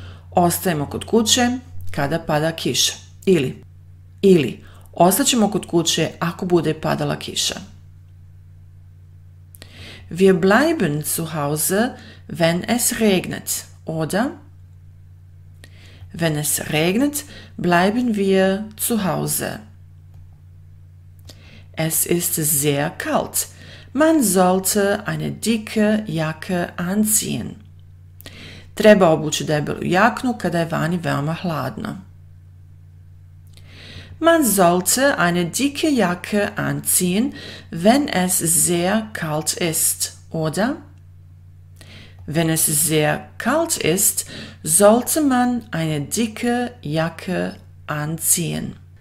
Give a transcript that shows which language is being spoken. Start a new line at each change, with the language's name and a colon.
Croatian: Ostajemo kod kuće kada pada kiša. Ili, ostaćemo kod kuće ako bude padala kiša.
German: Wir bleiben zu Hause, wenn es regnet, oder? Wenn es regnet, bleiben wir zu Hause. Es ist sehr kalt. Man sollte eine dicke Jacke anziehen.
Croatian: Treba obući debelu jaknu kada je vani veoma hladno.
German: Man sollte eine dicke Jacke anziehen, wenn es sehr kalt ist, oder? Wenn es sehr kalt ist, sollte man eine dicke Jacke anziehen.